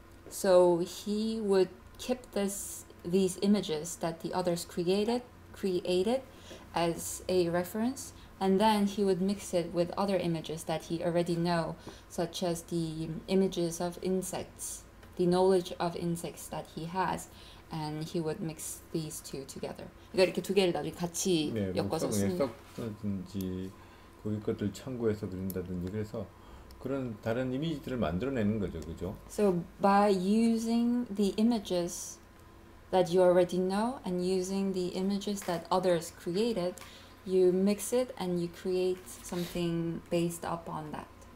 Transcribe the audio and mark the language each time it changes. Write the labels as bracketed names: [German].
[English] So he would keep these images that the others created as a reference, and then he would mix it with other images that he already know, such as the images of insects, the knowledge of insects that he has, and he would mix these two together. [Korean] 이거 이렇게 두 개를 나중에 같이 네, 엮어서 뭐 썼든지 거기 것들 참고해서 그린다든지 그래서 그런 다른 이미지들을 만들어내는 거죠, 그죠? [English] So by using the images that you already know and using the images that others created, you mix it and you create something based upon that.